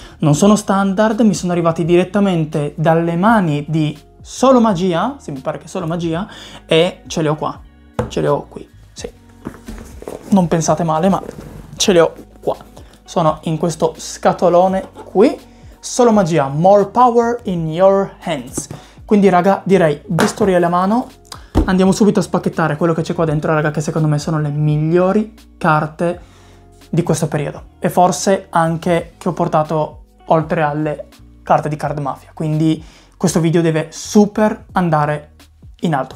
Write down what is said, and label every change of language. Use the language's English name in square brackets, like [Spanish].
[Italian] Non sono standard, mi sono arrivati direttamente dalle mani di Solo Magia. Sì, mi pare che Solo Magia. E ce li ho qua. Ce li ho qui, sì. Non pensate male, ma ce li ho. Sono in questo scatolone qui. [English] Solo Magia, more power in your hands. [Italian] Quindi raga, direi, bisturi alla mano, andiamo subito a spacchettare quello che c'è qua dentro, raga, che secondo me sono le migliori carte di questo periodo. E forse anche che ho portato oltre alle carte di Card Mafia. Quindi questo video deve super andare in alto.